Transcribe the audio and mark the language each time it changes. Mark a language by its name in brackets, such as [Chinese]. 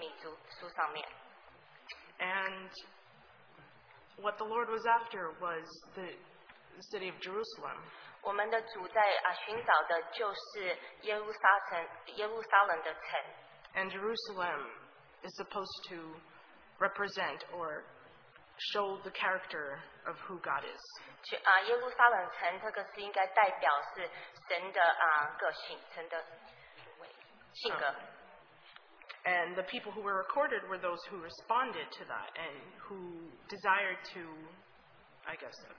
[Chinese] 我是非常的扎心到心，因为这些名字、这些人都被神纪念的，在以斯拉书和尼希米书上面。 [English] And what the Lord was after was the city of Jerusalem. [Chinese] 我们的主在寻找的就是耶路撒冷的城。 [English] And Jerusalem is supposed to represent or show the character of who God is. [Chinese] 去, 啊, 耶路撒冷城, 这个是应该代表是神的, 啊, 个性, 神的, 性格。 [English] And the people who were recorded were those who responded to that and who desired to, I guess,